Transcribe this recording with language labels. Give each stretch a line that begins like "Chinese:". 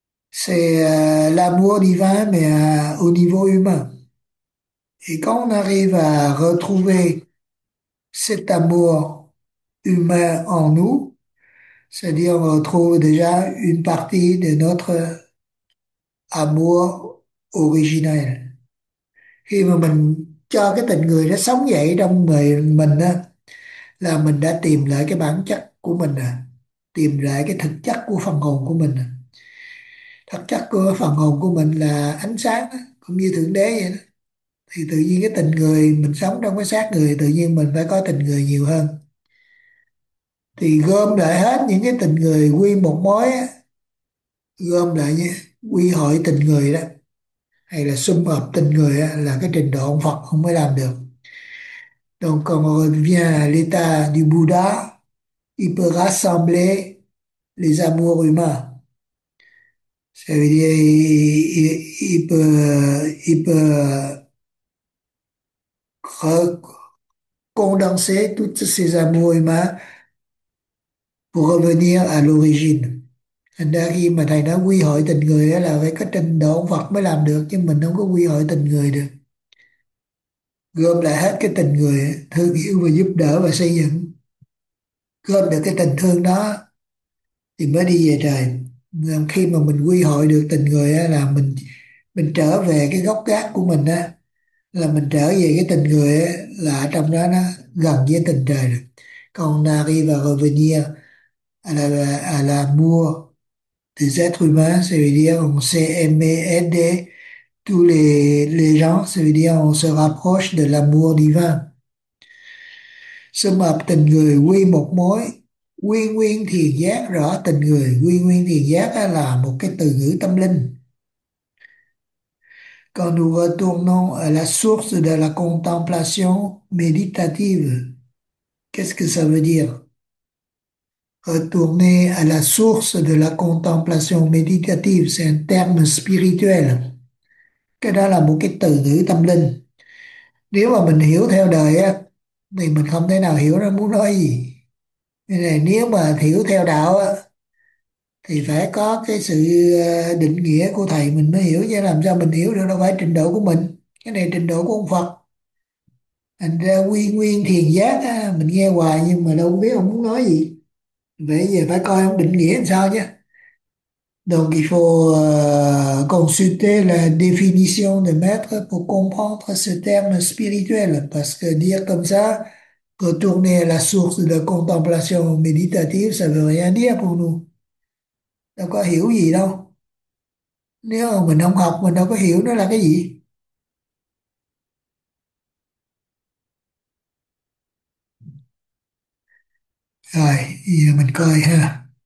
French: C'est l'amour divin, mais au niveau humain. Et quand on arrive à retrouver cet amour humain en nous, c'est-à-dire on retrouve déjà une partie de notre amour originel.
Vietnamese: Khi mà mình cho cái tình người nó sống dậy trong mình là mình đã tìm lại cái bản chất của mình, tìm lại cái thực chất của phần hồn của mình. Thực chất của phần hồn của mình là ánh sáng cũng như thượng đế vậy đó. Thì tự nhiên cái tình người mình sống trong cái xác người, tự nhiên mình phải có tình người nhiều hơn. Thì gom lại hết những cái tình người quy một mối, gom lại như quy hội tình người đó, hay là sum họp tình người đó, là cái trình độ ông Phật không mới làm được.
French: Donc quand on revient à l'état du Bouddha, il peut rassembler les amours humains. Ça veut dire il peut condenser tous ces amours humains pour revenir à l'origine.
Vietnamese: Thành ra khi mà thầy nói quy hội tình người đó là phải có trình độ Phật mới làm được, chứ mình không có quy hội tình người được. Gom lại hết cái tình người thương yêu và giúp đỡ và xây dựng, gom được cái tình thương đó thì mới đi về trời. Khi mà mình quy hội được tình người á, là mình trở về cái gốc gác của mình á, là mình trở về cái tình người á, là trong đó nó gần với tình trời rồi. Còn nari và
French: revenir à l'amour des êtres humains, ça veut dire on sait aimer aider tous les gens, ça veut dire on se rapproche de l'amour divin.
Vietnamese: Sum hợp tình người quy một mối, quy nguyên thiền giác rõ tình người. Quy nguyên thiền giác á, là một cái từ ngữ tâm linh.
French: Quand nous retournons à la source de la contemplation méditative, qu'est-ce que ça veut dire? Retourner à la source de la contemplation méditative, c'est un terme spirituel.
Vietnamese: Cái đó là một cái từ ngữ tâm linh. Nếu mà mình hiểu theo đời á, thì mình không thể nào hiểu nó muốn nói gì. Nếu mà hiểu theo đạo á, thì phải có cái sự định nghĩa của thầy mình mới hiểu, chứ làm sao mình hiểu được, đâu phải trình độ của mình. Cái này trình độ của ông Phật. Thành ra quy nguyên thiền giác á, mình nghe hoài nhưng mà đâu biết ông muốn nói gì. Vậy giờ phải coi ông định nghĩa làm sao chứ.
French: Donc il faut consulter la définition de maître pour comprendre ce terme spirituel. Parce que dire comme ça, retourner à la source de contemplation méditative, ça veut rien dire pour nous.
Vietnamese: Đâu có hiểu gì đâu. Nếu mà mình không học, mình đâu có hiểu nó là cái gì. Giờ mình coi ha.